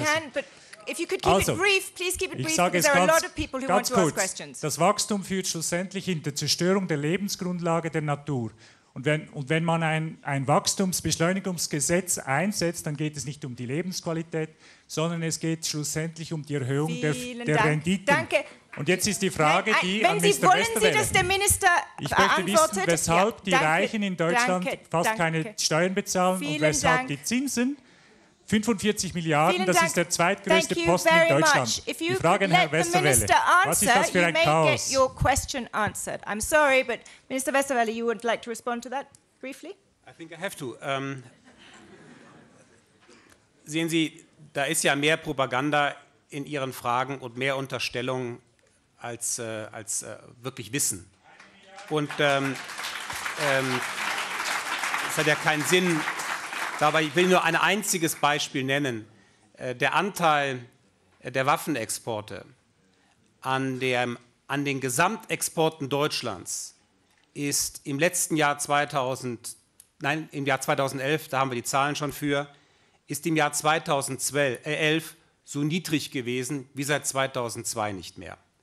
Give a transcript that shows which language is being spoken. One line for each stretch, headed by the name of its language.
English: You can, but if you could keep it brief, please keep it brief, because there are a lot of people who want to ask questions.
German: Das Wachstum führt schlussendlich in der Zerstörung der Lebensgrundlage der Natur. Und wenn man ein Wachstumsbeschleunigungsgesetz einsetzt, dann geht es nicht um die Lebensqualität, sondern es geht schlussendlich um die Erhöhung der Renditen. Danke. Und jetzt ist die Frage, dass der Minister beantwortet? Ich möchte wissen, weshalb die Reichen in Deutschland keine Steuern bezahlen und weshalb die Zinsen 45 Milliarden, das ist der zweitgrößte Posten in Deutschland. Die Frage an Herrn Westerwelle, was ist das für ein Chaos?
English: You may get your question answered. I'm sorry, but Minister Westerwelle, you would like to respond to that briefly? I think I have to.
German: Sehen Sie, da ist ja mehr Propaganda in Ihren Fragen und mehr Unterstellung als wirklich Wissen. Und es hat ja keinen Sinn. Dabei will ich nur ein einziges Beispiel nennen. Der Anteil der Waffenexporte an den Gesamtexporten Deutschlands ist im Jahr 2011, da haben wir die Zahlen schon für, ist im Jahr 2011 so niedrig gewesen wie seit 2002 nicht mehr.